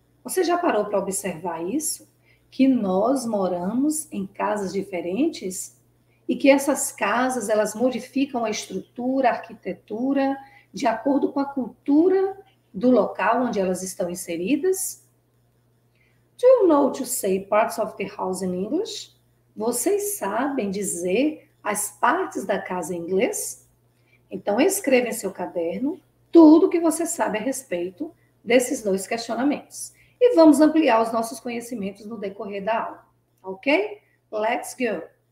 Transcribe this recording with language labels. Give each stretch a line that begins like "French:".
Portuguese: Você já parou para observar isso? Que nós moramos em casas diferentes? E que essas casas, elas modificam a estrutura, a arquitetura, de acordo com a cultura do local onde elas estão inseridas?
English: Do you know to say parts of the house in English?
Portuguese: Vocês sabem dizer as partes da casa em inglês? Então, escreva em seu caderno tudo o que você sabe a respeito desses dois questionamentos. E vamos ampliar os nossos conhecimentos no decorrer da aula, ok?
English: Let's go!